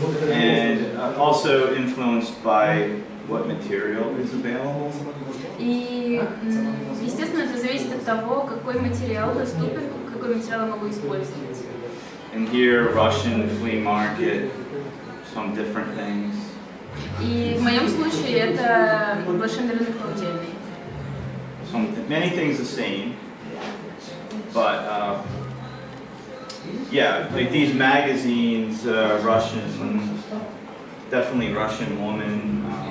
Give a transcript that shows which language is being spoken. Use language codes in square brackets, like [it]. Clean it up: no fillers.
[en] And also influenced by what material is available. [ru] И, естественно, это зависит от того, какой материал доступен, какой материал я могу использовать. [en] And here, Russian flea market, some different things. [ru] И в моем случае это волшебный рынок на удельной. [en] Some many things the same, but yeah, like these magazines, Russian, definitely Russian woman.